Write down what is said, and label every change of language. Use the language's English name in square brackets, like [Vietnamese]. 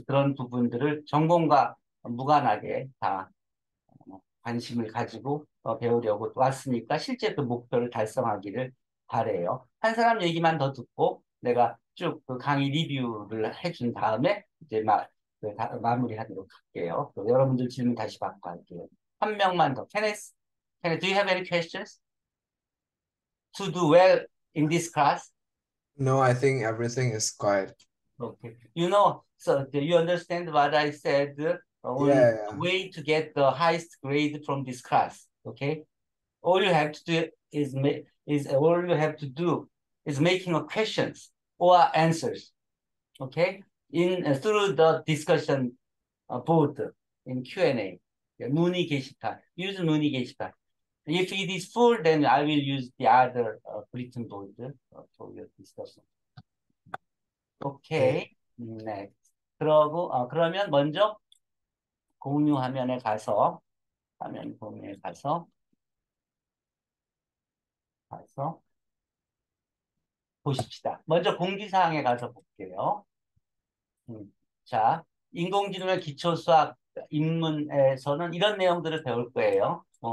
[Korean] 그래서 그런 부분들을 전공과 무관하게 다 관심을 가지고 배우려고 왔으니까 실제 그 목표를 달성하기를 바래요. 한 사람 얘기만 더 듣고 내가 쭉그 강의 리뷰를 해준 다음에 이제 마무리하도록 할게요. 또 여러분들 질문 다시 받고 할게요. 한 명만 더. [English] Kenneth, do you have any questions to do well in this class? No, I think everything is quiet. Okay. So you understand what I said on Yeah. way to get the highest grade from this class. Okay. All you have to do is make is all you have to do is making a questions. Or answers, okay? Through the discussion board in Q&A, [Korean] 문의 게시판, [English] use 문의 게시판. If it is full, then I will use the other written board for your discussion. Okay. Okay, next. [Korean] 그러면 먼저 공유 화면에 가서, 화면 공유에 가서. 보십시다. 먼저 공지사항에 가서 볼게요. 자, 인공지능의 기초수학 입문에서는 이런 내용들을 배울 거예요.